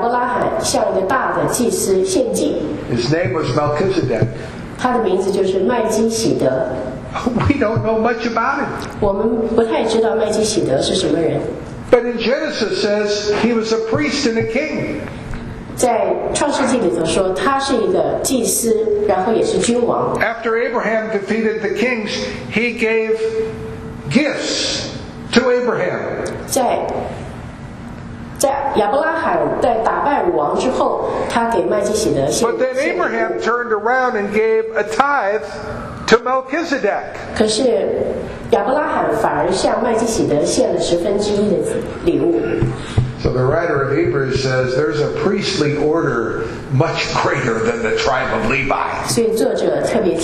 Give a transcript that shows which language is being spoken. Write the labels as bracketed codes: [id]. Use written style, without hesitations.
[zh] 亚伯拉罕的后裔有立位，可是，在圣经里头有特别提到亚伯拉罕向一个大的祭司献祭。 [en] His name was Melchizedek. [zh] 他的名字就是麦基喜德。 [en] We don't know much about him. [zh] 我们不太知道麦基喜德是什么人。 [en] But in Genesis says he was a priest and a king. [zh] 在创世纪里头说他是一个祭司，然后也是君王。 [en] After Abraham defeated the kings, he gave gifts to Abraham. [zh] 在亚伯拉罕在打败王之后，他给麦基喜德献。 [en] But then Abraham turned around and gave a tithe to Melchizedek. [zh] 可是亚伯拉罕反而向麦基喜德献了十分之一的礼物。 [en] So the writer of Hebrews says there's a priestly order much greater than the tribe of Levi.